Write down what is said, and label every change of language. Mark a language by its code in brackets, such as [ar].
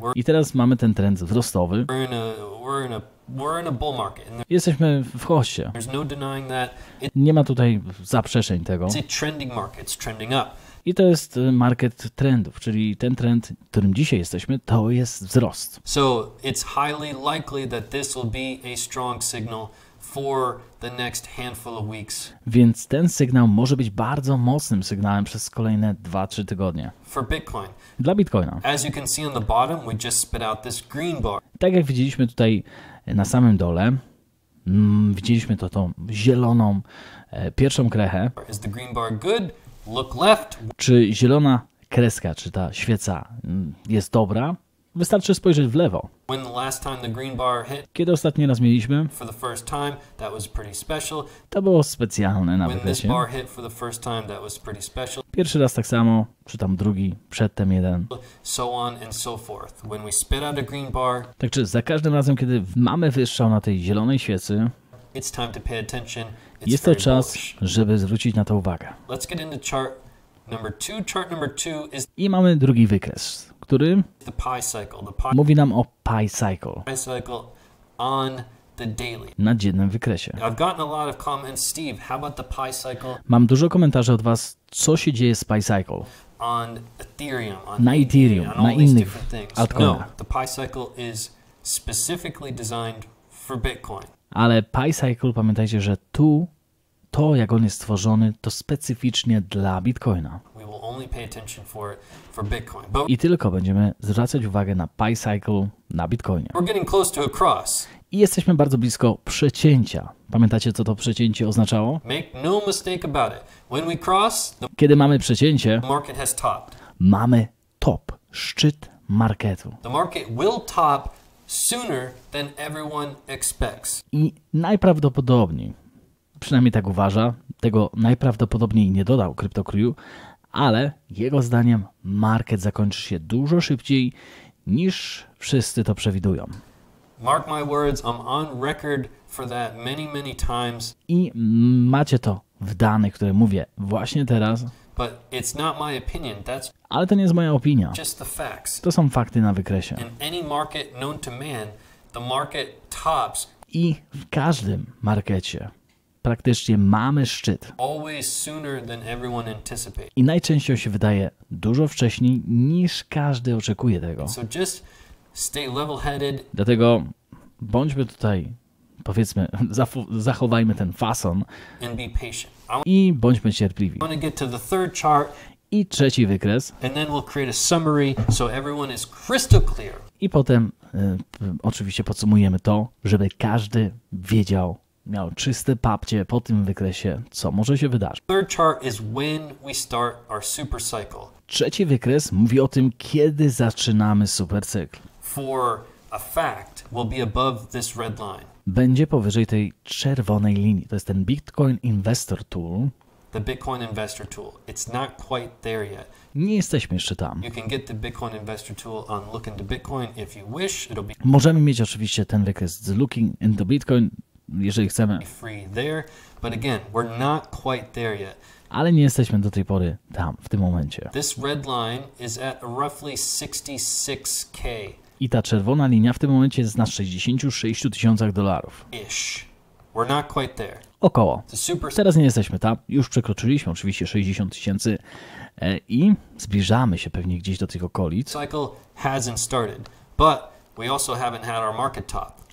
[pl] I teraz mamy ten trend wzrostowy. [en] We're in a bull market. [pl] Jesteśmy w hossie. [en] There's no denying that. [pl] Nie ma tutaj zaprzeczeń tego. [en] It's a trending market. It's trending up. [pl] I to jest market trendów, czyli ten trend, którym dzisiaj jesteśmy, to jest wzrost. [en] So it's highly likely that this will be a strong signal for the next handful of weeks. [pl] Więc ten sygnał może być bardzo mocnym sygnałem przez kolejne 2-3 tygodnie. [en] For Bitcoin. [pl] Dla Bitcoina. [en] As you can see on the bottom, we just spit out this green bar. [pl] Tak jak widzieliśmy tutaj na samym dole, widzieliśmy to tą zieloną pierwszą krechę. [en] Is the green bar good? Look left. [pl] Czy zielona kreska, czy ta świeca jest dobra? Wystarczy spojrzeć w lewo. [en] When the last time the green bar hit, [pl] kiedy ostatni raz mieliśmy? [en] For the first time, that was pretty special. [pl] To było specjalne na wykresie. [en] When this bar hit for the first time, that was pretty special. [pl] Pierwszy raz tak samo, czy tam drugi, przedtem jeden. [en] So on and so forth. When we spit out a green bar, [pl] tak czy za każdym razem, kiedy mamy wystrzał na tej zielonej świecy, [en] it's time to pay attention. It's [pl] jest to czas, żeby zwrócić na to uwagę. [en] Let's get into chart number two. Chart number two is [pl] i mamy drugi wykres, który [en] the pie cycle, [pl] mówi nam o pie cycle. [en] Pie cycle on the daily. [pl] Na dziennym wykresie. [en] I've gotten a lot of comments, Steve. How about the pie cycle? [pl] Mam dużo komentarzy od was, co się dzieje z pie cycle. [en] On Ethereum, [pl] na innych altcoinach. [en] No, the pie cycle is specifically designed for Bitcoin. [pl] Ale pie cycle, pamiętajcie, że to jak on jest stworzony, to specyficznie dla Bitcoina. [en] Only pay attention for Bitcoin. But [pl] i tylko będziemy zwracać uwagę na pie cycle na Bitcoinie. [en] We're getting close to a cross. [pl] I jesteśmy bardzo blisko przecięcia. Pamiętacie, co to przecięcie oznaczało? [en] Make no mistake about it. When we cross, [pl] kiedy mamy przecięcie, [en] the market has topped. [pl] Mamy top, szczyt marketu. [en] The market will top sooner than everyone expects. [pl] I najprawdopodobniej, przynajmniej tak uważa, tego najprawdopodobniej nie dodał CryptoCrew, ale jego zdaniem market zakończy się dużo szybciej niż wszyscy to przewidują. [en] Mark my words, I'm on record for that many, many times. [pl] I macie to w danych, które mówię właśnie teraz. [en] But it's not my opinion. That's [pl] ale to nie jest moja opinia. [en] Just the facts. [pl] To są fakty na wykresie. [en] In any market known to man, the market tops. [pl] I w każdym markecie praktycznie mamy szczyt. [en] Always sooner than everyone anticipates. [pl] I najczęściej się wydaje dużo wcześniej niż każdy oczekuje tego. [en] So just stay level-headed. [pl] Dlatego bądźmy tutaj, powiedzmy, zachowajmy ten fason [en] and be patient. [pl] I bądźmy cierpliwi. [en] I'm gonna get to the third chart. [pl] I trzeci wykres. [en] And then we'll create a summary, so everyone is crystal clear. [pl] I potem oczywiście podsumujemy to, żeby każdy wiedział, miał czyste papcie po tym wykresie, co może się wydarzyć. [en] Third chart is when we start our super cycle. [pl] Trzeci wykres mówi o tym, kiedy zaczynamy supercykl. [en] For a fact, we'll be above this red line. [pl] Będzie powyżej tej czerwonej linii. To jest ten Bitcoin Investor Tool. [en] The Bitcoin Investor Tool. It's not quite there yet. [pl] Nie jesteśmy jeszcze tam. [en] You can get the Bitcoin Investor Tool on Look into Bitcoin if you wish. It'll be. [pl] Możemy mieć oczywiście ten wykres z Looking into Bitcoin, jeżeli chcemy. [en] Free there, but again, we're not quite there yet. [pl] Ale nie jesteśmy do tej pory tam, w tym momencie. [en] This red line is at roughly 66K. [pl] I ta czerwona linia w tym momencie jest na 66 tysiącach dolarów. [en] Ish. We're not quite there. [pl] Około. Teraz nie jesteśmy tam. Już przekroczyliśmy oczywiście 60 tysięcy i zbliżamy się pewnie gdzieś do tych okolic. [en] Cycle hasn't started, but we also haven't had our market top.